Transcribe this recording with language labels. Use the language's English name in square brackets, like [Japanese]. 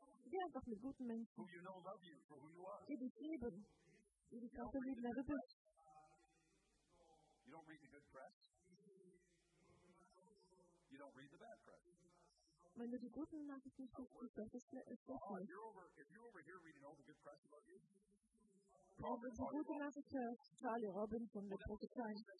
[German] Geh einfach mit guten Menschen. [English] You know, you [German] die dich lieben. Die dich auch so lieben, wer du bist. [English] You don't read the good press. You don't read the bad press. [German] Wenn du die guten Nachrichten schaust, dann ist das nicht. [English] Oh, if you're over here reading all the good press about you. [German] Wenn du die gute Nachricht hörst, Charlie Robinson, der Prophezei.